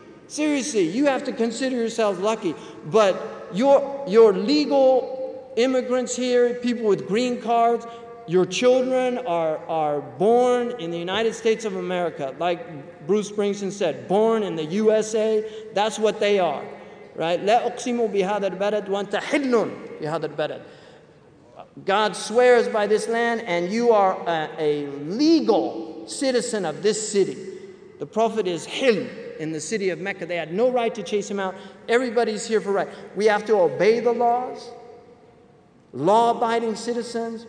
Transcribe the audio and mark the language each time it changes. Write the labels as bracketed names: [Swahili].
[English] Seriously, you have to consider yourself lucky. But your legal immigrants here, people with green cards, your children are born in the United States of America. Like Bruce Springsteen said, born in the USA, that's what they are, right? [Arabic] لا أقسم بهذا البلد وأنت حل بهذا البلد. [English] God swears by this land, and you are a legal citizen of this city. The Prophet is hil in the city of Mecca. They had no right to chase him out. Everybody's here for right. We have to obey the laws, law-abiding citizens.